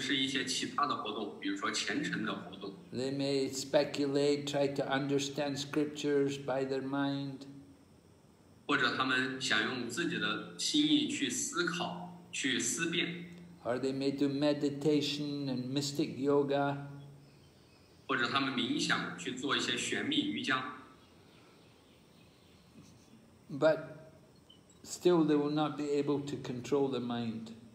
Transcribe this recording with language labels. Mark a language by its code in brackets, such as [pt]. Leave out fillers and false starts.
[zh] 人们也许会从事一些其他的活动，比如说虔诚的活动。 [en] They may speculate, try to understand scriptures by their mind. [zh] 或者他们想用自己的心意去思考，去思辨。 [en] Or they may do meditation and mystic yoga. But still they will not be able to control the mind.